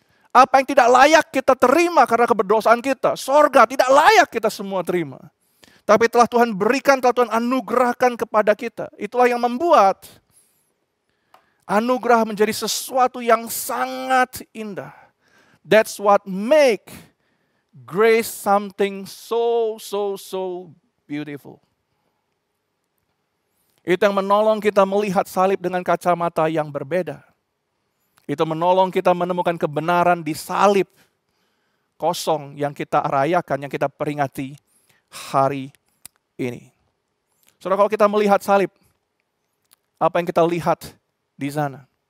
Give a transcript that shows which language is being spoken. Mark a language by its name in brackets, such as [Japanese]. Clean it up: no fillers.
[Indonesian] Apa yang tidak layak kita terima karena keberdosaan kita, sorga tidak layak kita semua terima. Tapi telah Tuhan berikan, telah Tuhan anugerahkan kepada kita. Itulah yang membuat anugerah menjadi sesuatu yang sangat indah. [English] That's what make grace something so, so, so beautiful. [Indonesian] Itu yang menolong kita melihat salib dengan kacamata yang berbeda. Itu menolong kita menemukan kebenaran di salib kosong yang kita rayakan, yang kita peringati hari ini. Saudara, kalau kita melihat salib, apa yang kita lihat di sana?